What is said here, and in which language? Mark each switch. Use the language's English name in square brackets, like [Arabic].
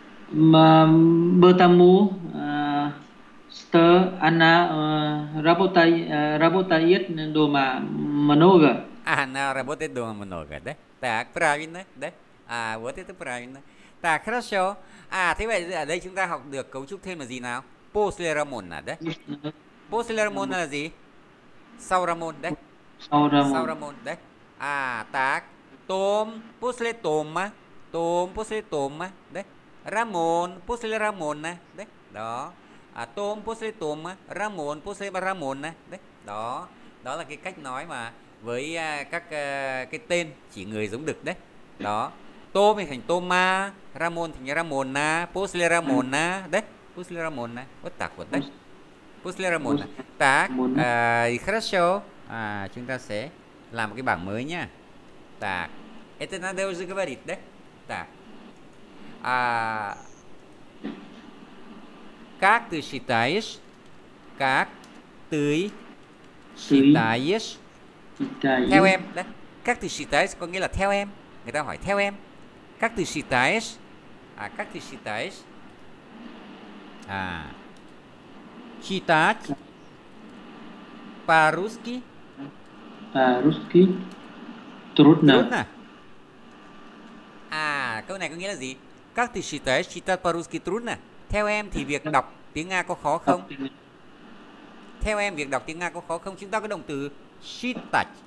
[Russian] Потому что она работает дома много. Она работает дома много, да? Так, правильно, да? А, вот это правильно. Так, хорошо. [Vietnamese] А, thế vậy ở đây chúng ta học được cấu trúc thêm là gì nào? [Russian] После Рамона, да? После Рамона [Vietnamese] là gì? Sau [Russian] Рамон, да? [Vietnamese] Sau Рамон, [Russian] да? А, так. Том, после Тома. Tôm после Тома, đấy. Рамон после Рамона, đấy. [Vietnamese] Đó. [Russian] À, tôm после Тома, Рамон после Рамона, đấy. [Vietnamese] Đó. Đó là cái cách nói mà với các cái tên chỉ người giống đực, đấy. Đó. Tôm thì thành Тома, Рамон thành Рамона, [Russian] после Рамона, [Vietnamese] đấy. [Russian] После Рамона. Вот так вот, да? После Рамона. После... Так, Мон... и хорошо. [Vietnamese] А, chúng ta sẽ làm cái bảng mới nha. [Russian] Так, это надо уже говорить, да? Так. А, как ты считаешь? Как ты считаешь? [Vietnamese] Theo em, [Russian] да? Как ты считаешь? [Vietnamese] Có nghĩa là theo em. [Russian] Người ta hỏi theo em. Как ты считаешь? А, как ты считаешь? А, читать по-русски? По-русски трудно. Трудно? А, [Vietnamese] câu này có nghĩa là gì? [Russian] Как ты считаешь, читать по-русски трудно? [Vietnamese] Theo em thì việc đọc tiếng Nga có khó không? Theo em việc đọc tiếng Nga có khó không? Chúng ta có động từ считать.